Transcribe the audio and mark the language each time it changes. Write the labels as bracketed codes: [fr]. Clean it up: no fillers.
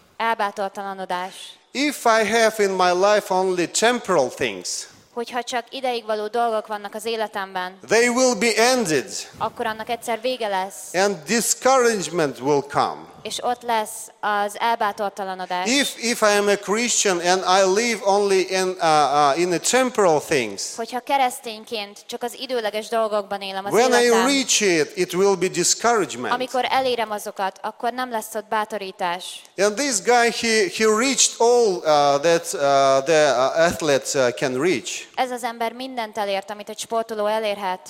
[hu] Elbátortalanodás. [en] If I have in my life only temporal things. [hu] Hogyha csak ideigvaló dolgok vannak az életemben. [en] They will be ended. [hu] Akkor annak egyszer vége lesz. [en] And discouragement will come. [hu] És ott lesz az elbátortalanodás. [en] If I am a Christian and I live only in the temporal things. [hu] Hogyha keresztényként csak az időleges dolgokban élem az életem. [en] When I reach it will be discouragement. [hu] Amikor elérem azokat, akkor nem lesz ott bátorítás. [en] And this guy he reached all that the athletes can reach. [hu] Ez az ember mindent elért, amit egy sportoló elérhet.